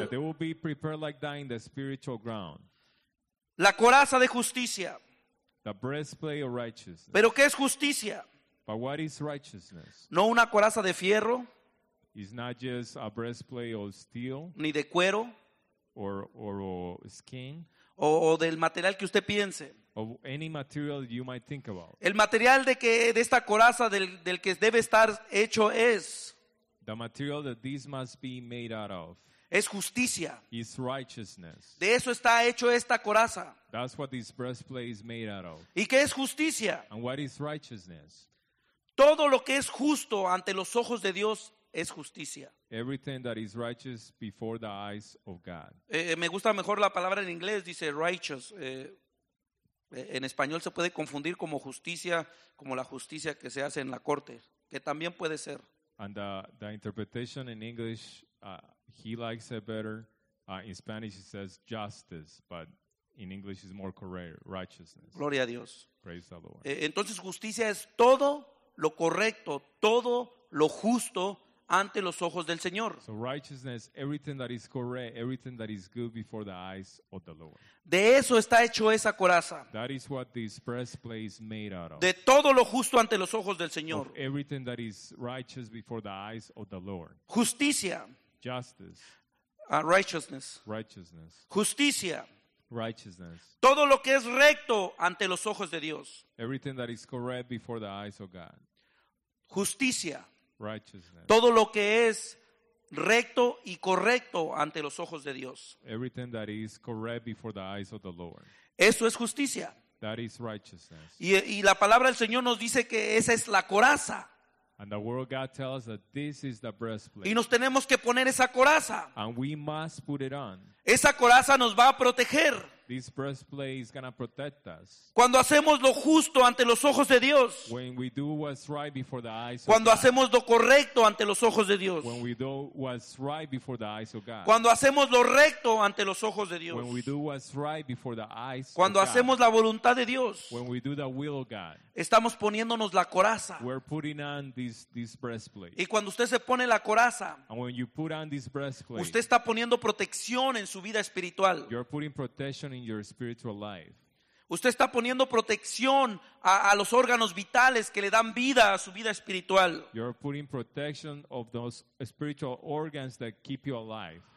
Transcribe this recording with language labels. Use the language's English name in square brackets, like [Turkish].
[English] That they will be prepared like that in the spiritual ground. [Spanish] La coraza de justicia. [English] The breastplate of righteousness. [Spanish] ¿Pero qué es justicia? [English] But what is righteousness? [Spanish] No una coraza de fierro. [English] It's not just a breastplate of steel. [Spanish] Ni de cuero. [English] Or skin. [Spanish] O del material que usted piense. [English] Of any material you might think about. [Spanish] El material de esta coraza del que debe estar hecho es. [English] The material that this must be made out of. [Spanish] Es justicia. [English] It's righteousness. [Spanish] De eso está hecho esta coraza. [English] That's what this breastplate is made out of. [Spanish] ¿Y qué es justicia? [English] And what is righteousness? [Spanish] Todo lo que es justo ante los ojos de Dios es justicia. [English] Everything that is righteous before the eyes of God. [Spanish] Me gusta mejor la palabra en inglés, dice righteous. En español se puede confundir como justicia, como la justicia que se hace en la corte, que también puede ser. [English] And the interpretation in English, he likes it better. In Spanish it says justice, but in English it's more correct, righteousness. [Spanish] Gloria a Dios. [English] Praise the Lord. [Spanish] Entonces justicia es todo lo correcto, todo lo justo ante los ojos del Señor. [English] So righteousness, everything that is correct, everything that is good before the eyes of the Lord. [Spanish] De eso está hecho esa coraza. [English] That is what this breastplate is made out of. [Spanish] De todo lo justo ante los ojos del Señor. [English] Of everything that is righteous before the eyes of the Lord. [Spanish] Justicia. [English] Justice. Righteousness. Righteousness. [Spanish] Justicia. [English] Righteousness. [Spanish] Todo lo que es recto ante los ojos de Dios. [English] Everything that is correct before the eyes of God. [Spanish] Justicia. [English] Righteousness. [Spanish] Todo lo que es recto y correcto ante los ojos de Dios. [English] Everything that is correct before the eyes of the Lord. [Spanish] Eso es justicia. [English] That is righteousness. [Spanish] Y la palabra del Señor nos dice que esa es la coraza. [English] And the word of God tells us that this is the breastplate. [Spanish] Y nos tenemos que poner esa coraza. [English] And we must put it on. [Spanish] Esa coraza nos va a proteger. [English] This breastplate is going to protect us. [Spanish] Cuando hacemos lo justo ante los ojos de Dios. [English] When we do what's right before the eyes of [Spanish] Cuando [English] God. [Spanish] Hacemos lo correcto ante los ojos de Dios. [English] When we do what's right before the eyes of God. [Spanish] Cuando hacemos lo recto ante los ojos de Dios. [English] When we do what's right before the eyes of God. [Spanish] Cuando hacemos la voluntad de Dios. [English] When we do the will of God. [Spanish] Estamos poniéndonos la coraza. [English] We're putting on this breastplate. [Spanish] Y cuando usted se pone la coraza. [English] And when you put on this breastplate. [Spanish] Usted está poniendo protección en su vida espiritual. [English] You're putting protection in your spiritual life. [Spanish] Usted está poniendo protección a los órganos vitales que le dan vida a su vida espiritual. [English] You're putting protection of those spiritual organs that keep you alive.